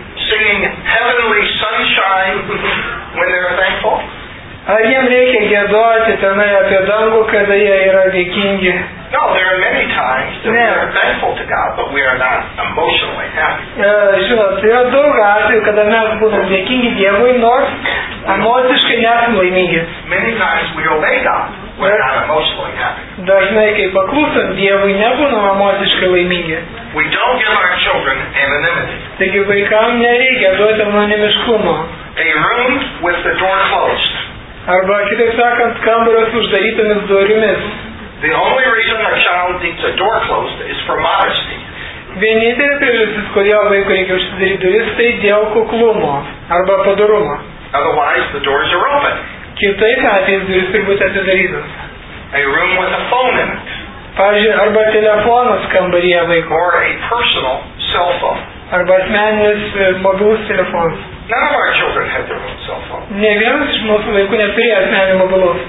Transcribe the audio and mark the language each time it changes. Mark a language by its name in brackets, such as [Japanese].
[English] Singing heavenly sunshine when they're thankful. [Lithuanian] Ar jiem reikia giedoti tenai apie dangų, kada jie yra dėkingi? [English] No, there are many times that we are thankful to God, but we are not emotionally happy. [Lithuanian] Žinot, yra daug atvejų, kada mes būtum dėkingi Dievui, nors emociškai nesam laimingi. [English] Many times we obey God. We're not emotionally happy. [Lithuanian] Dažnai, kai paklūsim Dievui, nebūnam emociškai laimingi. [English] We don't give our children anonymity. [Lithuanian] Taigi vaikam nereikia duoti anonimiškumo. [English] A room with the door closed. [Lithuanian] Arba, kitaip sakant, kambarius uždarytomis durimis. [English] The only reason a child needs a door closed is for modesty. [Lithuanian] Vienintelė priežastis, kodėl vaikui reikia užsidaryti duris, tai dėl kuklumo arba padorumo. [English] Otherwise, the doors are open. [Lithuanian] Kitais atvejais duris turi būti atidarytos. [English] A room with a phone in it. [Lithuanian] Pavyzdžiui, arba telefonas kambaryje vaikui. [English] Or a personal cell phone. [Lithuanian] Arba asmeninis mobilus telefonas. [English] None of our children had their own cell phone. [Lithuanian] Ne vienas iš mūsų vaikų neturėjo asmeninį mobilų.